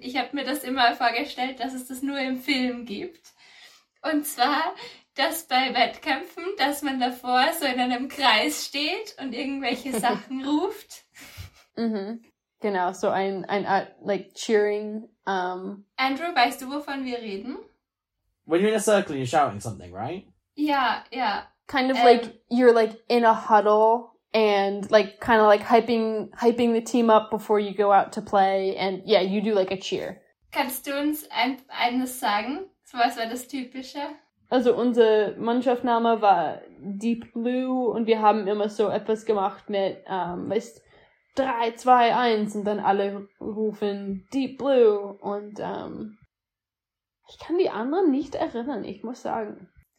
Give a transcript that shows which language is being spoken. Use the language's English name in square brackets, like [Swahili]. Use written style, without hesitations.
[German] Ich habe mir das immer vorgestellt, dass es das nur im Film gibt. Und zwar, dass bei Wettkämpfen, dass man davor so in einem Kreis steht und irgendwelche Sachen ruft. Mhm. Genau, so ein Art, [English] like, cheering. [German] Andrew, weißt du, wovon wir reden? [English] When you're in a circle, you're shouting something, right? Yeah, yeah. Kind of like you're like in a huddle and like kind of like hyping the team up before you go out to play. And yeah, you do like a cheer. [German] Kannst du uns eines sagen? Was war das Typische? Also unser Mannschaftsname war Deep Blue und wir haben immer so etwas gemacht mit, weißt, 3, 2, 1 und dann alle rufen Deep Blue und ich kann die anderen nicht erinnern, ich muss sagen.